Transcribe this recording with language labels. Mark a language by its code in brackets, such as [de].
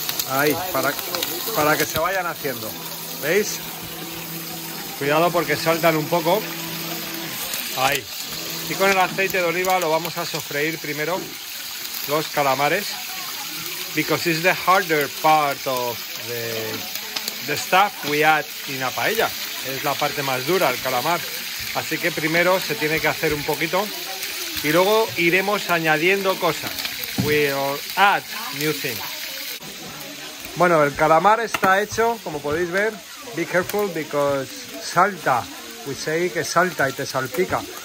[es] Ahí, para que se vayan haciendo. ¿Veis? Cuidado porque saltan un poco. Ahí. Y con el aceite de oliva lo vamos a sofreír primero los calamares. [en] Because it's the harder part of the stuff we add in a paella. [es] Es la parte más dura, el calamar. Así que primero se tiene que hacer un poquito. Y luego iremos añadiendo cosas. [en] We'll add new things. [es] Bueno, el calamar está hecho, como podéis ver. [en] Be careful because [es] salta. [en] We say [es] que salta y te salpica.